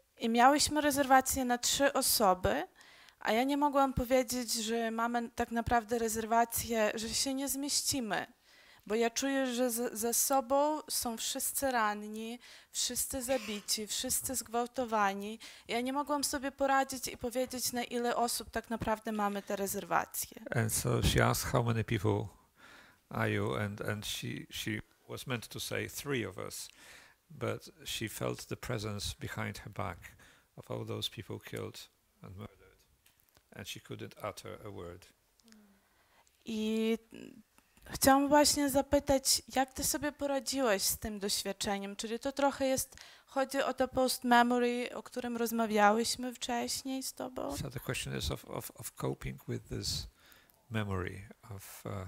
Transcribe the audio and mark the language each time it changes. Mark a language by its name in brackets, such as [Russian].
[Polish] I miałyśmy rezerwację na 3 osoby. A ja nie mogłam powiedzieć, że mamy tak naprawdę rezerwację, że się nie zmieścimy, bo ja czuję, że ze sobą są wszyscy ranni, wszyscy zabici, wszyscy zgwałtowani. Ja nie mogłam sobie poradzić i powiedzieć, na ile osób tak naprawdę mamy te rezerwacje. [English] And so she asked, how many people are you? And she was meant to say three of us, but she felt the presence behind her back of all those people killed and murdered, and she couldn't utter a word. [Polish] I chciałam właśnie zapytać, jak ty sobie poradziłeś z tym doświadczeniem? Czyli to trochę jest, chodzi o to post memory, o którym rozmawiałyśmy wcześniej z tobą. [English] So the question is of coping with this memory of